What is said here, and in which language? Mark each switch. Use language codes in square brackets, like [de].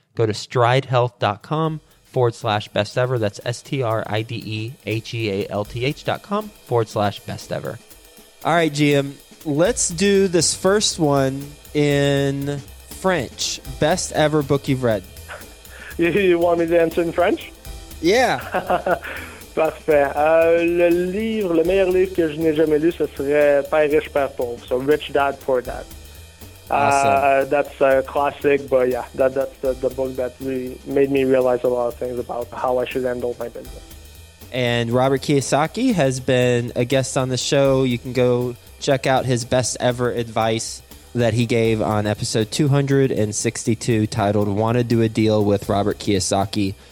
[en] Go to stridehealth.com/best ever. That's STRIDEHEALTH.com/best ever. All right, GM, let's do this first one in French. Best ever book you've read. You want me to answer in French? Yeah. [fr] Parfait. Le livre, le meilleur livre que je n'ai jamais lu, ce serait Père riche, père pauvre. [en] So Rich Dad, Poor Dad. That's a classic, but yeah, that's the book that really made me realize a lot of things about how I should handle my business. And Robert Kiyosaki has been a guest on the show. You can go check out his best ever advice that he gave on episode 262 titled Want to Do a Deal with Robert Kiyosaki.